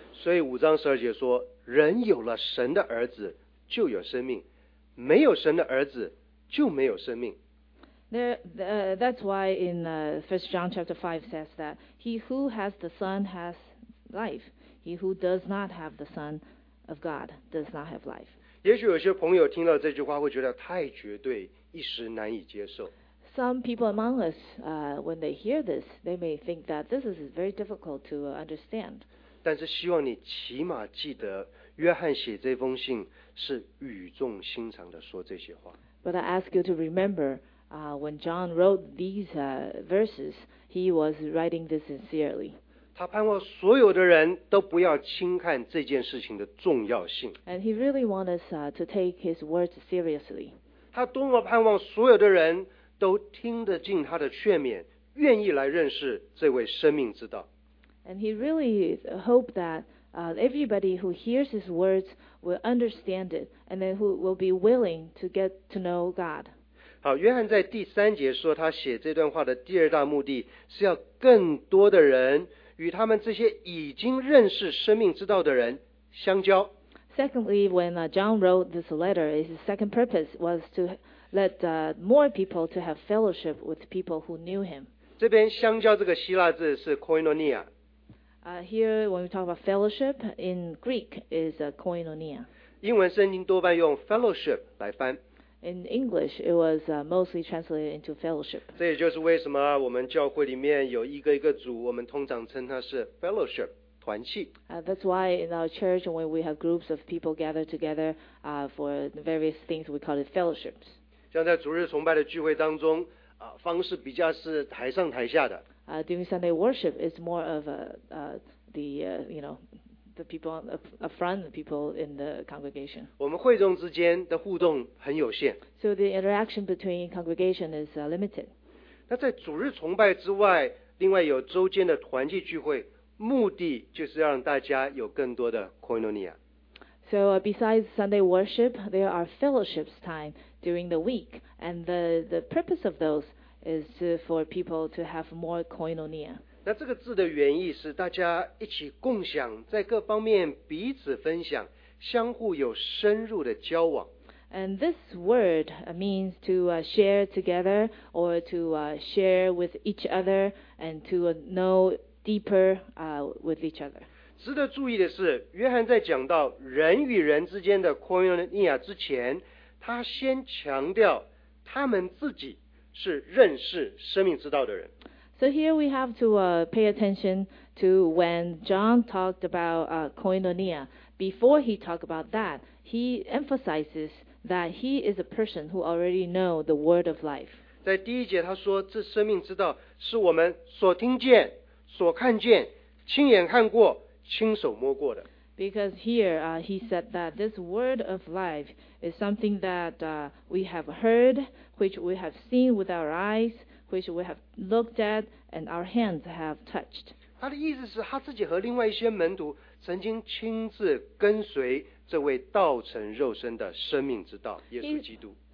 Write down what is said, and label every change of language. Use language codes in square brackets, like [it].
[zh] 所以五章十二节说，人有了神的儿子就有生命，没有神的儿子就没有生命。 [en] That's why in 1 John chapter 5 says that he who has the Son has life. He who does not have the Son of God does not have life. [zh] 也许有些朋友听到这句话会觉得太绝对，一时难以接受。 [en] Some people among us, when they hear this, they may think that this is very difficult to understand. [zh] 但是希望你起码记得，约翰写这封信是语重心长地说这些话。 [en] But I ask you to remember, when John wrote these verses, he was writing this sincerely. [zh] 他盼望所有的人都不要轻看这件事情的重要性。 [en] And he really wants us to take his words seriously. [zh] 他多么盼望所有的人都听得进他的劝勉，愿意来认识这位生命之道。 [en] And he really hoped that everybody who hears his words will understand it, and then who will be willing to get to know God. [zh] 好，约翰在第三节说，他写这段话的第二大目的是要更多的人与他们这些已经认识生命之道的人相交。 [en] Secondly, when John wrote this letter, his second purpose was to let more people to have fellowship with people who knew him. [zh] 这边相交这个希腊字是 koinonia. [en] Here, when we talk about fellowship, in Greek is koinonia. [zh] 英文圣经多半用 fellowship 来翻。 [en] In English, it was mostly translated into fellowship. [zh] 这也就是为什么我们教会里面有一个一个组，我们通常称它是 fellowship. [en] That's why in our church, when we have groups of people gathered together for various things, we call it fellowships. [zh] 像在主日崇拜的聚会当中，方式比较是台上台下的。 [en] During Sunday worship, it's more of the people up front, the people in the congregation. [zh] 我们会众之间的互动很有限。 [en] So the interaction between congregation is limited. [zh] 那在主日崇拜之外，另外有周间的团契聚会。目的就是让大家有更多的 koinonia. [en] So besides Sunday worship, there are fellowships time during the week, and the purpose of those is for people to have more koinonia. [zh] 那这个字的原意是大家一起共享，在各方面彼此分享，相互有深入的交往。 [en] And this word means to share together or to share with each other and to knowDeeper with each other. [zh] 值得注意的是，约翰在讲到人与人之间的 koinonia 之前，他先强调他们自己是认识生命之道的人。 [en] So here we have to pay attention to when John talked about koinonia. Before he talked about that, he emphasizes that he is a person who already know the word of life. [zh] 在第一节他说，这生命之道是我们所听见。所看见，亲眼看过，亲手摸过的。 [en] Because here, he said that this word of life is something that we have heard, which we have seen with our eyes, which we have looked at, and our hands have touched. [zh] 他的意思是他自己和另外一些门徒曾经亲自跟随这位道成肉身的生命之道，耶稣基督。